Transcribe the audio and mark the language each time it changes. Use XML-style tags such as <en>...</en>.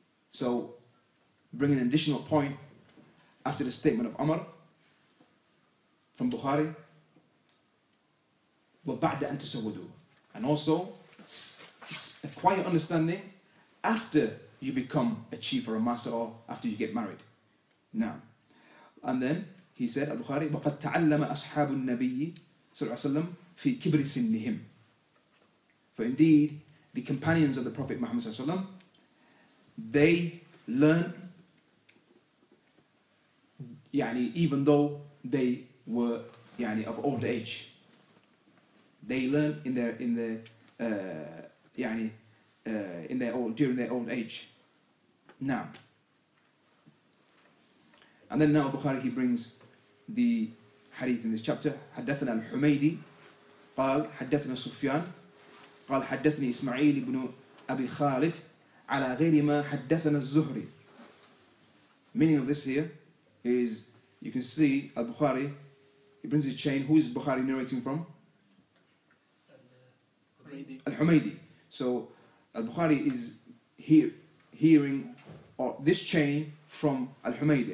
<en>So, bring an additional point after the statement of Umar from Bukhari.</en> <ar>وَبَعْدَ أَن تُسَوَّدُوا.</ar> <en>And also, acquire understanding after you become a chief or a master, or after you get married. Now, and then he said, Al-Bukhari,</en> <ar>وَقَدْ تَعَلَّمَ أَصْحَابُ النَّبِيِّ صلى الله عليه وسلم في كبر سنهم.</ar> <en>For indeed, the companions of the Prophet Muhammad صلى الله عليه وسلم, they learned, يعني, even though they were يعني, of old age. They learned during their old age. Now, and then now Bukhari, he brings the hadith in this chapter.</en> <ar>حدثنا الحميدي قال حدثنا سفيان قال حدثني إسماعيل بن أبي خالد على غير ما حدثنا الزهري.</ar> <en>Meaning of this here is, you can see Al-Bukhari, he brings his chain. Who is Bukhari narrating from? Al-Humaydi. So Al-Bukhari is hearing this chain from Al-Humaydi.</en>